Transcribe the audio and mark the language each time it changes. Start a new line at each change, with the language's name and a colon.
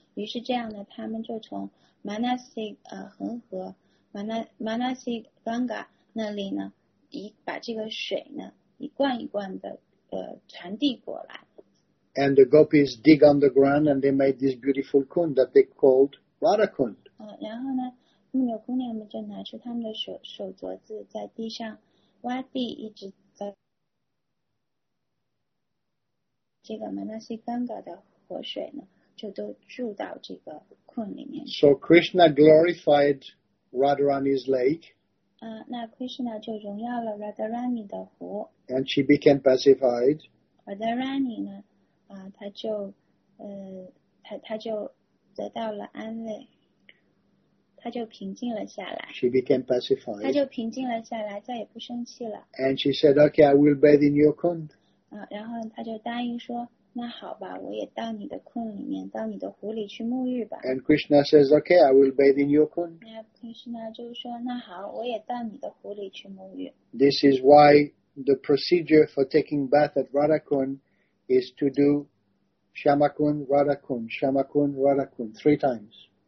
Chinese: 于是这样呢，他们就从 Manasiganga 马纳西甘嘎那里呢，把这个水呢一罐一罐的传递过来。
English: And the gopis dig underground and they made this beautiful kund that they called Radhakund.
Chinese: 然后呢，牧牛姑娘们就拿出他们的手镯子，在地上挖地，一直在这个马纳西甘嘎的活水呢，就都注到这个kund里面。
English: So Krishna glorified Radharani's lake.
Chinese: 那 Krishna 就荣耀了 Radharani 的湖。
English: And she became pacified.
Chinese: Radharani 呢，她就得到了安慰，她就平静了下来。
English: She became pacified.
Chinese: 她就平静了下来，再也不生气了。
English: And she said, "Okay, I will bathe in your kund."
Chinese: 然后她就答应说，那好吧，我也到你的kund里面，到你的湖里去沐浴吧。
English: And Krishna says, okay, I will bathe in your kund.
Chinese: Krishna 就说，那好，我也到你的湖里去沐浴。
English: This is why the procedure for taking bath at Radhakund is to do Shyamakund, Radhakund, Shyamakund, Radhakund, three times.